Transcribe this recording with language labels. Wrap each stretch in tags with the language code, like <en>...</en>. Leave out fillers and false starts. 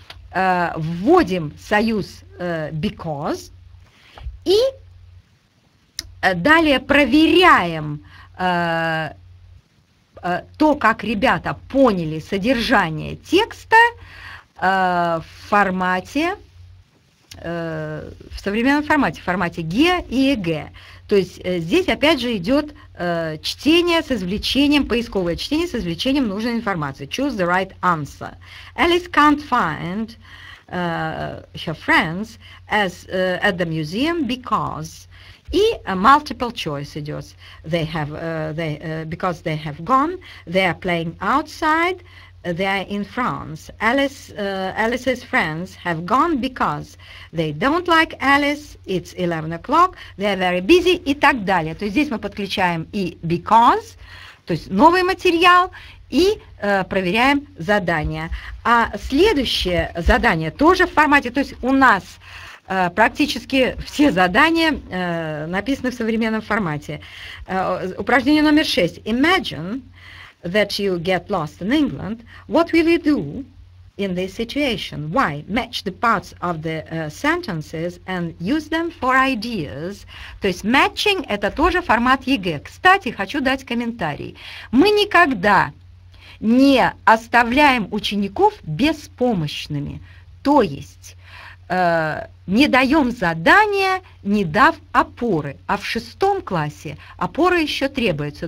<ru>Вводим союз «because» и далее проверяем то, как ребята поняли содержание текста в формате, в современном формате, в формате ГИА и ЕГЭ. То есть здесь опять же идет чтение с извлечением, поисковое чтение с извлечением нужной информации.</ru> <en>Choose the right answer. Alice can't find her friends at the museum because...</en> <ru>И</ru> <en>multiple choice</en> <ru>идет.</ru> <en>They have, because they have gone, they are playing outside, they are in France. Alice's friends have gone because they don't like Alice, it's 11 o'clock, they are very busy</en> <ru>и так далее. То есть здесь мы подключаем и because, то есть новый материал, и проверяем задание. А следующее задание тоже в формате, то есть у нас практически все задания написаны в современном формате. Упражнение номер 6.</ru> <en>Imagine that you get lost in England, what will you do in this situation? Why? Match the parts of the sentences and use them for ideas.</en> <ru>То есть matching – это тоже формат ЕГЭ. Кстати, хочу дать комментарий. Мы никогда не оставляем учеников беспомощными. То есть не даем задания, не дав опоры. А в шестом классе опора еще требуется.</ru>